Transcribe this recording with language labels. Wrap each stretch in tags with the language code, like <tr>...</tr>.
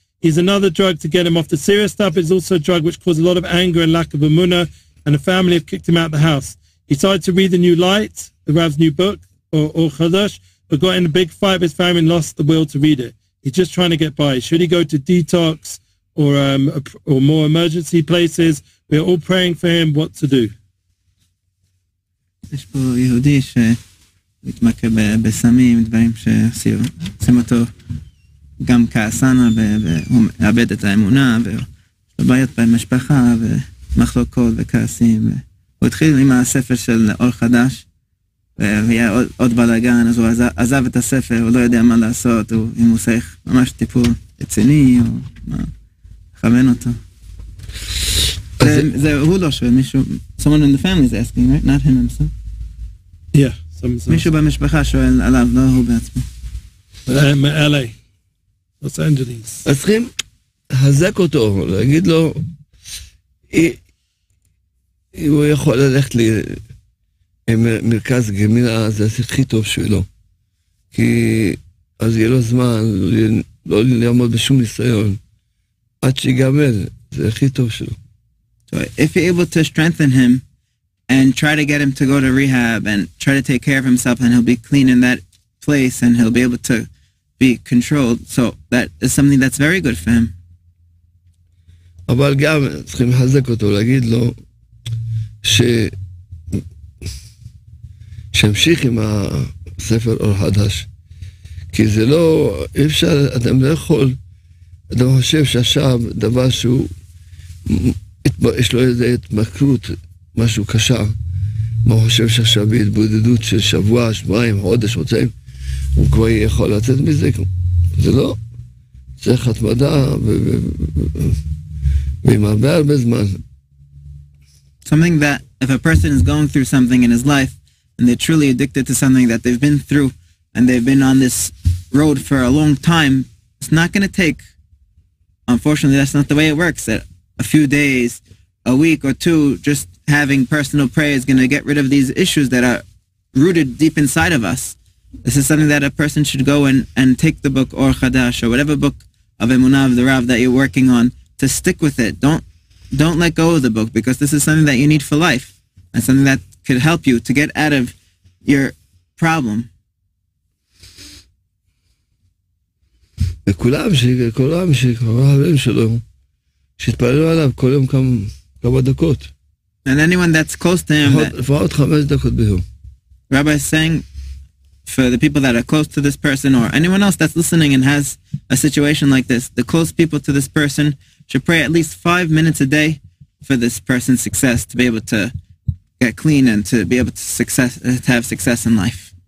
<en>He's another drug to get him off the serious stuff. It's also a drug which causes a lot of anger and lack of emunah, and the family have kicked him out of the house. He started to read The New Light, the Rav's new book, or Chadash, but got in a big fight with his family and lost the will to read it. He's just trying to get by. Should he go to detox or more emergency places? We're all praying for him what to do.</en> <he>יש פה יהודי שמתמכר בסמים, דברים שעושים אותו גם כעסנה, והוא מאבד את האמונה, ובעיות במשפחה, ומחלוקות וכעסים. הוא התחיל עם הספר של אור חדש, והיה עוד בלגן, אז הוא עזב את הספר, הוא לא יודע מה לעשות, אם הוא צריך ממש טיפול רציני, או מה, לכוון אותו. זה הוא לא שואל, מישהו,</he> <en>someone in the family is asking, right? Not him himself. Yeah, someone.</en> <he>מישהו במשפחה שואל עליו, לא הוא בעצמו. מ-LA, Los Angeles. אז צריכים להזק אותו, להגיד לו, אם הוא יכול ללכת ל... מרכז גמילה זה הכי טוב שלו, כי אז יהיה לו זמן לא לעמוד בשום ניסיון עד שיגמל, זה הכי טוב שלו.</he> <en>So if you're able to strengthen him and try to get him to go to rehab and try to take care of himself and he'll be clean in that place and he'll be able to be controlled, so that is something that's very good for him.</en> <he>אבל גם צריכים לחזק אותו, להגיד לו ש שימשיך עם הספר אור חדש, כי זה לא, אי אפשר, אדם לא יכול, אדם חושב שעכשיו דבר שהוא יש לו איזה התמכרות, משהו קשה, מה הוא חושב שעכשיו בהתבודדות של שבוע, שבועיים, חודש, רוצים, הוא כבר יכול לצאת מזה, זה לא, צריך התמדה ועם הרבה הרבה זמן.</he> <en>Something that if a person is going through something in his life and they're truly addicted to something that they've been through and they've been on this road for a long time, it's not going to take, unfortunately that's not the way it works, that a few days, a week or two, just having personal prayer is going to get rid of these issues that are rooted deep inside of us. This is something that a person should go and take the book Or Chadash or whatever book of Emunah of the Rav that you're working on to stick with it. Don't let go of the book, because this is something that you need for life and something that could help you to get out of your problem.</en> <he>וכולם שכולם שכולם שלו שיתפללו עליו כל יום כמה דקות.</he> <en>And anyone that's close to him,</en> <he>לפחות חמש דקות ביום.</he> <en>Rabbi is saying for the people that are close to this person or anyone else that's listening and has a situation like this, the close people to this person should pray at least 5 minutes a day for this person's success, to be able to get clean and to be able to success, to have success in life.</en>